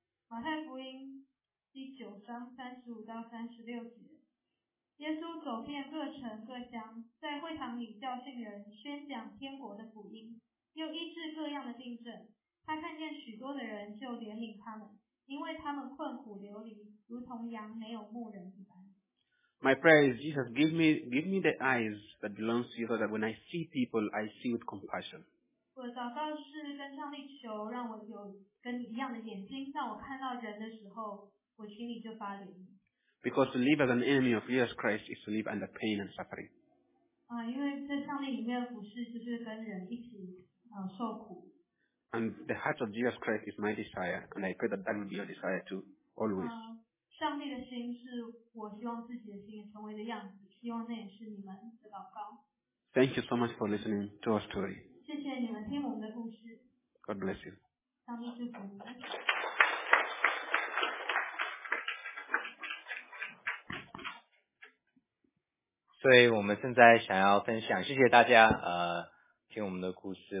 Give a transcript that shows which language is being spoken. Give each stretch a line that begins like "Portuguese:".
Chinese: 马太福音第九章35到36节，耶稣走遍各城各乡，在会堂里教训人，宣讲天国的福音，又医治各样的病症。他看见许多的人，就怜悯他们，因为他们困苦流离，如同羊没有牧人一般。
English: My prayer is, Jesus, give me the eyes that belongs to you, so that when I see people, I see with compassion.
Chinese: 我祷告是跟上帝求，让我有跟你一样的眼睛，让我看到人的时候，我心里就发怜悯。
English: Because to live as an enemy of Jesus Christ is to live under pain and suffering.
Chinese: 因为在上帝里面服事就是跟人一起受苦。
English: And the heart of Jesus Christ is my desire, and I pray that that will be your desire too, always.
Chinese: 上帝的心是我希望自己的心成为的样子，希望那也是你们的祷告。
English: Thank you so much for listening to our story.
Chinese: 谢谢你们听我们的故事。
English: God bless you.
Chinese: 上帝祝福你们。所以我们现在想要分享，谢谢大家听我们的故事。